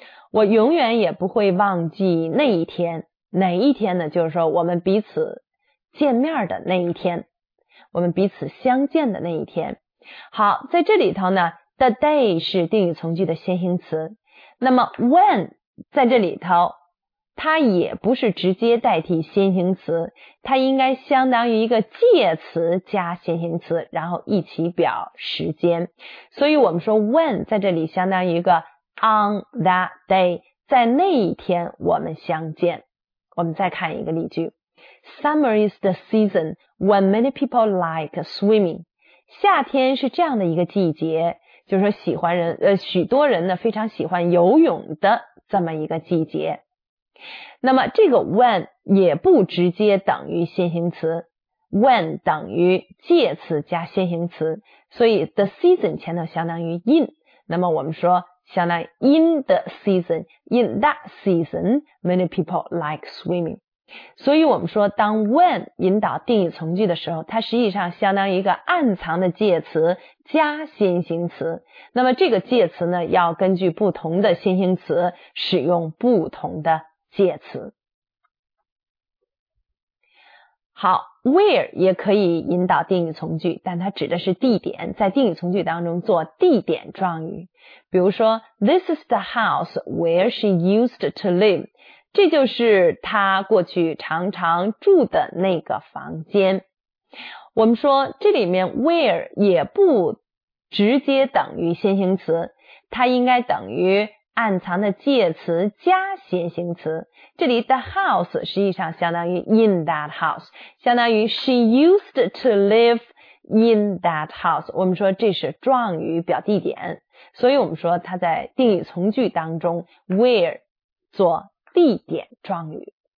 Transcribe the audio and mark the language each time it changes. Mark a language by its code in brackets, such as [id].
[zh] 我永远也不会忘记那一天。哪一天呢？就是说我们彼此见面的那一天，我们彼此相见的那一天。好，在这里头呢， the day 是定语从句的先行词，那么 when 在这里头它也不是直接代替先行词，它应该相当于一个介词加先行词，然后一起表时间。所以我们说 when 在这里相当于一个 [en] on that day, [zh] 在那一天我们相见。我们再看一个例句。 [en] Summer is the season when many people like swimming. [zh] 夏天是这样的一个季节，就是说喜欢人许多人呢非常喜欢游泳的这么一个季节。那么这个 when 也不直接等于先行词， when 等于介词加先行词，所以 the season 前头相当于 in， 那么我们说相当于 in the season， [en] in that season many people like swimming。 [zh] 所以我们说当 when 引导定语从句的时候，它实际上相当于一个暗藏的介词加先行词，那么这个介词呢要根据不同的先行词使用不同的介词。好， where 也可以引导定语从句，但它指的是地点，在定语从句当中做地点状语。比如说 [en] This is the house where she used to live， [zh] 这就是她过去常常住的那个房间。我们说这里面 where 也不直接等于先行词，它应该等于暗藏的介词加先行词，这里 the house 实际上相当于 [en] in that house， [zh] 相当于 [en] she used to live in that house， [zh] 我们说这是状语表地点，所以我们说它在定语从句当中 where 做地点状语。